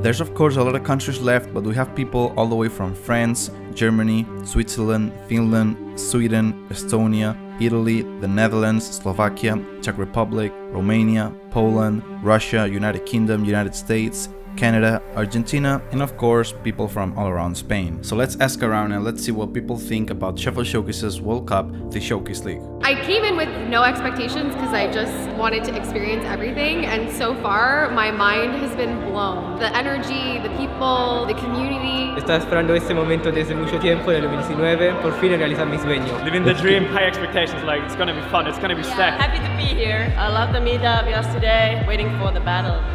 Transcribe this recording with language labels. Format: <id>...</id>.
<en>There's of course a lot of countries left, but we have people all the way from France, Germany, Switzerland, Finland, Sweden, Estonia, Italy, the Netherlands, Slovakia, Czech Republic, Romania, Poland, Russia, United Kingdom, United States, Canada, Argentina, and of course people from all around Spain. So let's ask around and let's see what people think about Shuffle Showcases World Cup, the Showcase League. I came in with no expectations because I just wanted to experience everything, and so far my mind has been blown. The energy, the people, the community.</en> <es>Estaba esperando este momento desde mucho tiempo, en el 2019, por fin realizar mi sueño.</es> <en>Living the dream, high expectations, like it's gonna be fun, it's gonna be sick. Happy to be here. I love the meetup yesterday, waiting for the battle.</en>